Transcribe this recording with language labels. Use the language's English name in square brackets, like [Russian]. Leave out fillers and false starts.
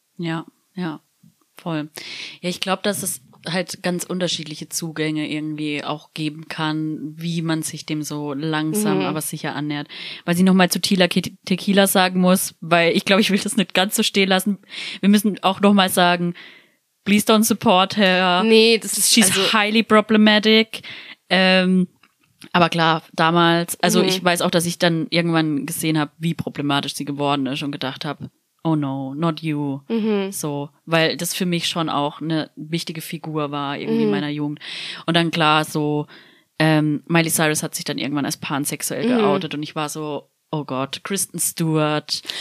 [German] Ja, voll. Ja, ich glaube, dass es halt ganz unterschiedliche Zugänge irgendwie auch geben kann, wie man sich dem so langsam, aber sicher annähert. Was ich nochmal zu Tila Tequila sagen muss, weil ich glaube, ich will das nicht ganz so stehen lassen. Wir müssen auch nochmal sagen, [English] please don't support her. [German] Nee, das ist [English] she's also highly problematic. [German] Aber klar, damals, also ich weiß auch, dass ich dann irgendwann gesehen habe, wie problematisch sie geworden ist und gedacht habe, [English] oh no, not you. [German] So, weil das für mich schon auch eine wichtige Figur war irgendwie in meiner Jugend. Und dann klar, so Miley Cyrus hat sich dann irgendwann als pansexuell geoutet und ich war so, oh Gott, Kristen Stewart.